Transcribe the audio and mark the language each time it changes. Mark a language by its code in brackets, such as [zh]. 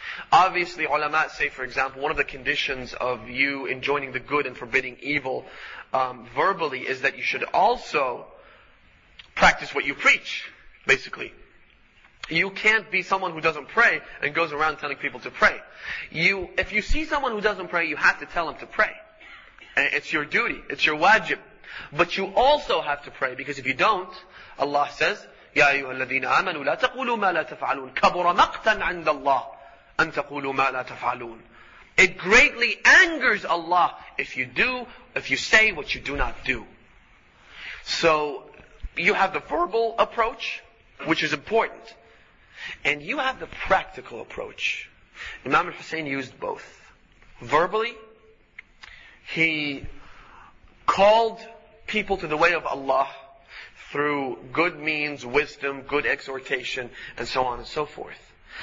[en] Obviously, ulama say, for example, one of the conditions of you enjoining the good and forbidding evil verbally is that you should also practice what you preach, basically. You can't be someone who doesn't pray and goes around telling people to pray. If you see someone who doesn't pray, you have to tell them to pray. It's your duty, it's your wajib. But you also have to pray, because if you don't, Allah says, [ar] يَا أَيُّهَا الَّذِينَ آمَنُوا لَا تَقُولُوا مَا لَا تَفْعَلُونَ كَبُرَ مَقْتًا عِنْدَ اللَّهِ أَنْتَقُولُوا مَا لَا تَفْعَلُونَ. [en] It greatly angers Allah if you say what you do not do. So you have the verbal approach, which is important, and you have the practical approach. Imam al-Hussein used both. Verbally, he called people to the way of Allah through good means, wisdom, good exhortation, and so on and so forth.